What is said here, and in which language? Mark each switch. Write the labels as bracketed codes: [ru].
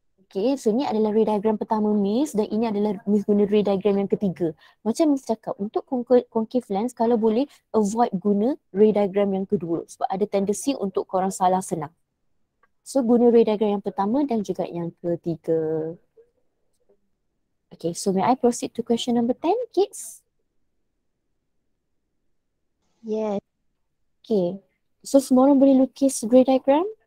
[ms] Okay, so ni adalah ray diagram pertama Miss dan ini adalah Miss guna ray diagram yang ketiga. Macam Miss cakap, untuk concave lens kalau boleh avoid guna ray diagram yang kedua sebab ada tendency untuk korang salah senang. So guna ray diagram yang pertama dan juga yang ketiga. [en] Okay, so may I proceed to question number 10, kids? Yes. Okay. [ms] So semua orang boleh lukis ray diagram?